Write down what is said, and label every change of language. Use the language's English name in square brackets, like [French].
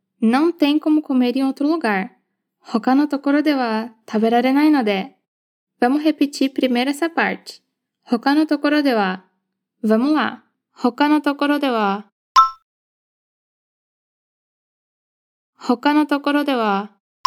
[Portuguese] Não tem como comer em outro lugar. [Japanese] 他のところでは食べられないので。 [Portuguese] Vamos repetir primeiro essa parte. [Japanese] 他のところでは。 [Portuguese] Vamos lá. [Japanese] 他のところでは。他のところでは。